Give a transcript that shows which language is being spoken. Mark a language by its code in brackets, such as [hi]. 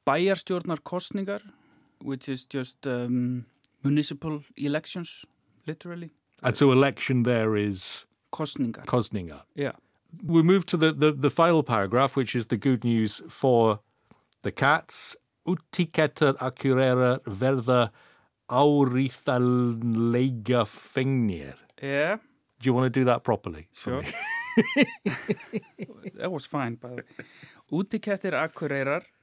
[en] Bæjarstjórnarkosningar, which is just municipal elections, literally. And so election there is. [is] Kosninga. Yeah. [en] We move to the final paragraph, which is the good news for the cats. [is] Úti kettir Akureyrar verða áreiðanlega feignir. [en] Yeah. Do you want to do that properly? Sure. That was fine, by the way. [is] Úti kettir Akureyrar